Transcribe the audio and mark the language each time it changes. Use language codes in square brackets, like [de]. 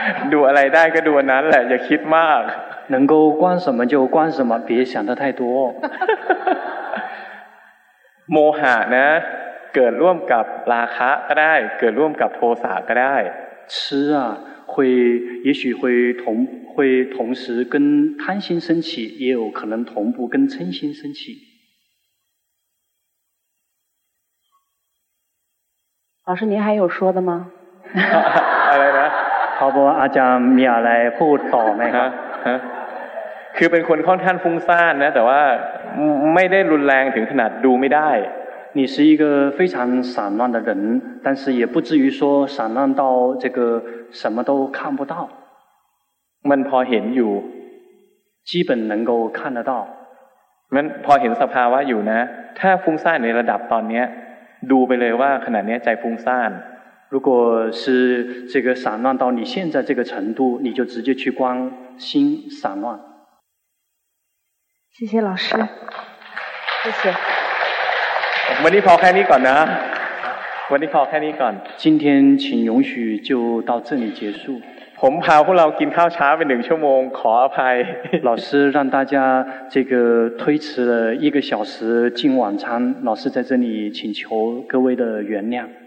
[th] ดูอะไรได้ก็ดูนั้นแหละอย่าคิดมาก [zh] 能够观什么就观什么别想得太多 [th] โมหะนะเกิดร่วมกับราคะก็ได้เกิดร่วมกับโทสะก็ได้ [zh] 痴啊会也许会同时跟贪心升起也有可能同步跟嗔心升起老师您还有说的吗来 [th] ขอบอกอาจารย์มีอะไรพูดต่อไหมครับ คือเป็นคนค่อนข้างฟุ้งซ่านนะแต่ว่าไม่ได้รุนแรงถึงขนาดดูไม่ได้ [zh] 你是一个非常散乱的人但是也不至于说散乱到这个什么都看不到 [th] มันพอเห็นอยู่ [zh] 基本能够看得到 [th] มันพอเห็นสภาวะอยู่นะถ้าฟุ้งซ่านในระดับตอนนี้ดูไปเลยว่าขนาดนี้ใจฟุ้งซ่าน [zh] 如果是这个散乱到你现在这个程度你就直接去观心散乱谢谢老师谢谢 [th] วันนี้พอแค่นี้ก่อนนะวันนี้พอแค่นี้ก่อน [zh] 今天请允许就到这里结束 [th] ผมพาพวกเรากินข้าวช้าไป1ชั่วโมงขออภัย [zh] 老师让大家这个推迟了一个小时进晚餐老师在这里请求各位的原谅